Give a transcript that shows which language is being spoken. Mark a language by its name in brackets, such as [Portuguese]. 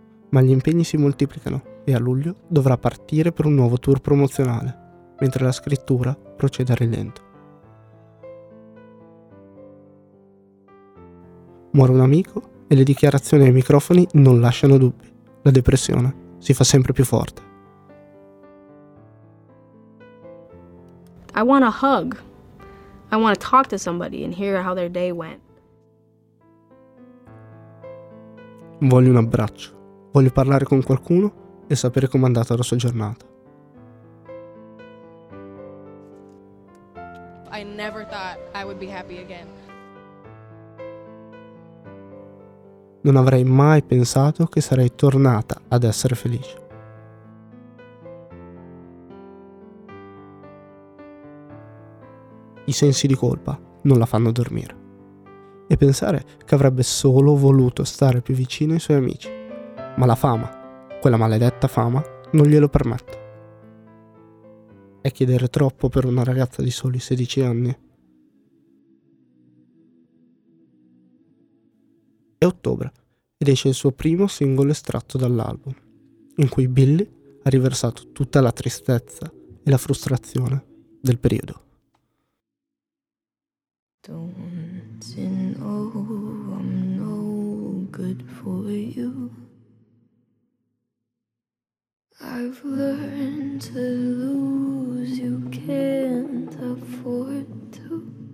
[Italian] Ma gli impegni si moltiplicano e a luglio dovrà partire per un nuovo tour promozionale, mentre la scrittura procede a rilento. Muore un amico e le dichiarazioni ai microfoni non lasciano dubbi. La depressione si fa sempre più forte. [English] I want a hug. I want to talk to somebody and hear how their day went. [Italian] Voglio un abbraccio, voglio parlare con qualcuno e sapere com'è andata la sua giornata. [English] I never thought I would be happy again. [Italian] Non avrei mai pensato che sarei tornata ad essere felice. I sensi di colpa non la fanno dormire. E pensare che avrebbe solo voluto stare più vicino ai suoi amici. Ma la fama, quella maledetta fama, non glielo permette. è chiedere troppo per una ragazza di soli 16 anni. È ottobre ed esce il suo primo singolo estratto dall'album, in cui Billy ha riversato tutta la tristezza e la frustrazione del periodo. [English] Don't you know I'm no good for you? I've learned to lose, you can't afford to.